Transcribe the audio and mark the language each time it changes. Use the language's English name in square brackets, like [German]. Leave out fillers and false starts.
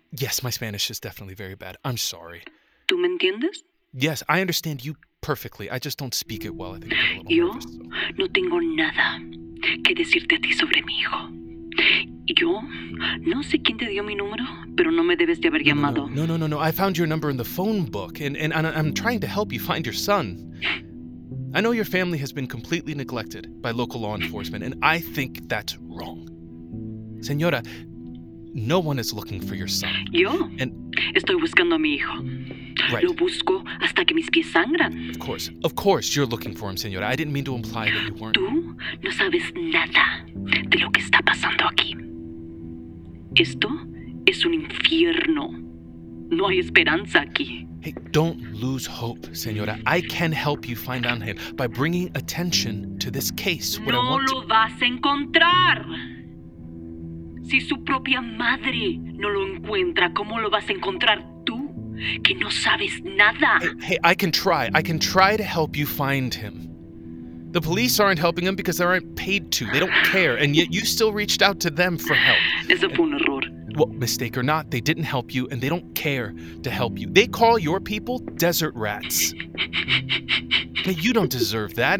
[English] Yes, my Spanish is definitely very bad. I'm sorry. [Spanish] ¿Tú me entiendes? [English] Yes, I understand you perfectly. I just don't speak it well. I think I'm a little [Spanish] Yo [English] nervous, so. [Spanish] No tengo nada que decirte a ti sobre mi hijo. Yo no sé quién te dio mi número, pero no me debes de haber llamado. No. [English] I found your number in the phone book, and I'm trying to help you find your son. I know your family has been completely neglected by local law enforcement, and I think that's wrong. Señora, no one is looking for your son. [Spanish] Yo estoy buscando a mi hijo. [English] Right. [Spanish] Lo busco hasta que mis pies sangran. [English] Of course, you're looking for him, señora. I didn't mean to imply that you weren't. [Spanish] Tú no sabes nada de lo que está pasando aquí. Esto es un infierno. No hay esperanza aquí. [English] Hey, don't lose hope, señora. I can help you find Ángel by bringing attention to this case. [Spanish] No lo vas a encontrar. Si su propia madre no lo encuentra, ¿cómo lo vas a encontrar tú, que no sabes nada? [English] Hey, I can try. I can try to help you find him. The police aren't helping him because they aren't paid to. They don't care. And yet you still reached out to them for help. [Spanish] Eso fue un error. [English] Well, mistake or not, they didn't help you and they don't care to help you. They call your people desert rats. Hey, you don't deserve that.